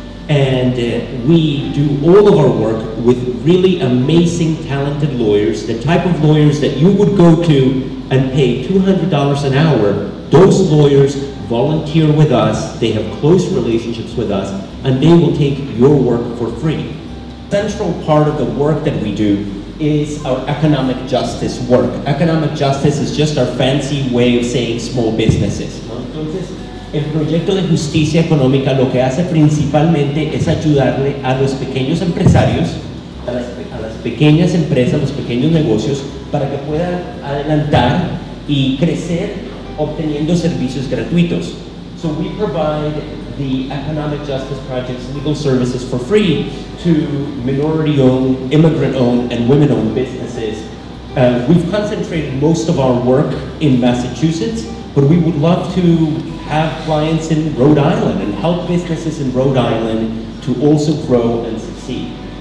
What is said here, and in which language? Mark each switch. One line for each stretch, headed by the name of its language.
English: And we do all of our work with really amazing, talented lawyers, the type of lawyers that you would go to and pay $200 an hour. Those lawyers volunteer with us, they have close relationships with us, and they will take your work for free. A central part of the work that we do is our economic justice work. Economic justice is just our fancy way of saying small businesses.
Spanish: El proyecto de justicia económica lo que hace principalmente es ayudarle a los pequeños empresarios, a las pequeñas empresas, los pequeños negocios, para que puedan adelantar y crecer obteniendo servicios gratuitos.
English: So we provide the Economic Justice Project's legal services for free to minority-owned, immigrant-owned, and women-owned businesses. We've concentrated most of our work in Massachusetts, but we would love to have clients in Rhode Island and help businesses in Rhode Island to also grow and succeed.